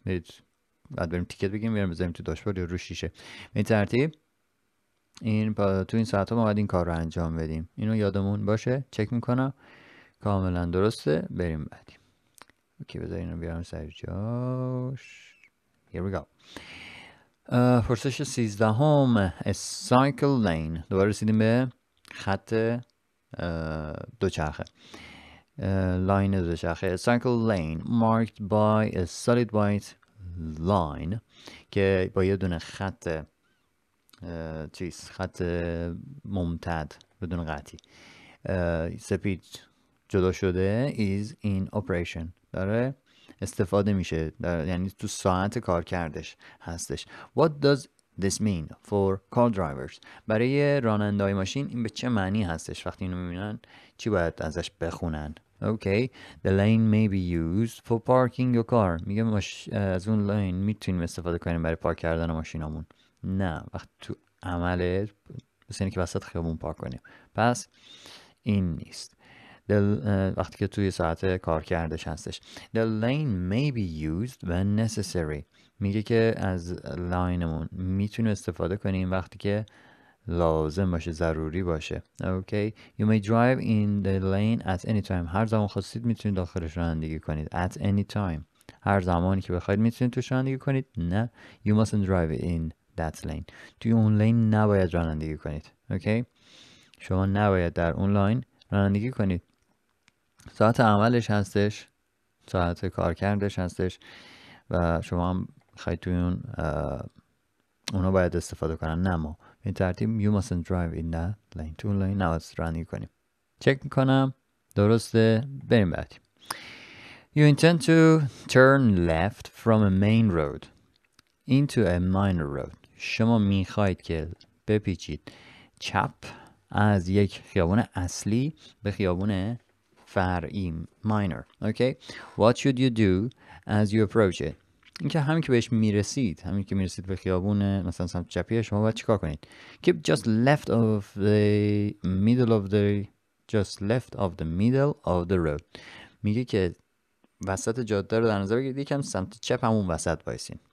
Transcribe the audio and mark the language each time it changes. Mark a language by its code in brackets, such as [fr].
[fa] برید بعد بریم تیکت بگیم، بریم بذاریم تو داشبورد یا رو شیشه. این ترتیب این تو این ساعت ها ما باید این کار رو انجام بدیم، اینو یادمون باشه. چک میکنم کاملا درسته. بریم بعدی. اوکی، بذارین رو بیارم سر جاش. [en] Here we go. [fa] پرسش 13 هم [en] A cycle lane. [fa] دوباره رسیدیم به خط دوچرخه، لاین دوچرخه. [en] A cycle lane marked by a solid white line، [fa] که با یه دونه خط چیز خط ممتد بدون قطعی سپید جدا شده، [en] is in operation، [fa] داره استفاده میشه، یعنی تو ساعت کار کردش هستش. [en] What does this mean for car drivers؟ [fa] برای راننده های ماشین این به چه معنی هستش؟ وقتی اینو میبینن چی باید ازش بخونن؟ [en] Okay, the lane may be used for parking your car. [fa] میگه از اون لین میتونیم استفاده کنیم برای پارک کردن ماشینامون. نه، وقتی تو عمله مثل اینکه وسط خیابون پارک کنیم، پس این نیست. وقتی که توی ساعت کار کردش هستش. [en] The lane may be used when necessary. [fa] میگه که از لاینمون میتونیم استفاده کنیم وقتی که لازم باشه، ضروری باشه. [en] Okay. You may drive in the lane at any time. [fa] هر زمان خواستید میتونید داخلش رانندگی کنید. [en] At any time. [fa] هر زمانی که بخواید میتونید توش رانندگی کنید. نه. [en] You mustn't drive in that lane. [fa] توی اون لین نباید رانندگی کنید. اوکی؟ شما نباید در اون لین رانندگی کنید. ساعت عملش هستش، ساعت کارکردش هستش و شما هم خواهید توی اون اونا باید استفاده کنن نه ما. این ترتیب [en] you mustn't drive in that lane. [fa] تو اون لین نباید رانندگی کنیم. چک میکنم درسته. بریم بعدی. [en] You intend to turn left from a main road into a minor road. [fa] شما میخواید که بپیچید چپ از یک خیابون اصلی به خیابون فرعی minor. [en] Okay. What should you do as you approach it? [fa] این که همین که بهش میرسید، همین که میرسید به خیابون مثلا سمت چپیه، شما باید چیکار کنید؟ [en] Keep just left of the middle of the just left of the middle of the road. [fa] میگه که وسط جاده رو در نظر بگیرید، یکم سمت چپ همون وسط وایسین.